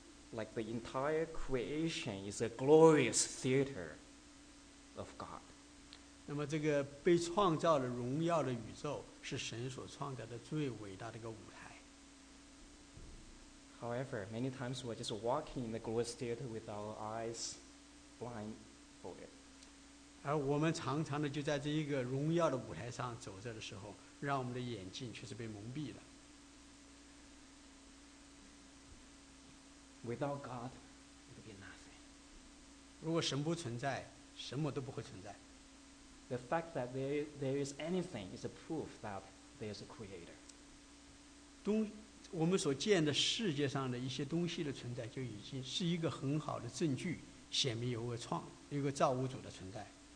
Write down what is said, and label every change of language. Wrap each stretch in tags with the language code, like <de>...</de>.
<en>Like the entire creation is a glorious theater of God.</en> <zh>那么这个被创造的荣耀的宇宙是神所创造的最伟大的一个舞台。</zh> <en>However, many times we're just walking in the glorious theater with our eyes blindfolded.</en> <zh>而我们常常的就在这一个荣耀的舞台上走着的时候，让我们的眼睛却是被蒙蔽了。</zh> <en>Without God, it'll be nothing.</en> <zh>如果神不存在，什么都不会存在。</zh> <en>The fact that there is anything is a proof that there's a creator.</en> <zh>我们所见的世界上的一些东西的存在，就已经是一个很好的证据，显明有个创，有个造物主的存在。</zh>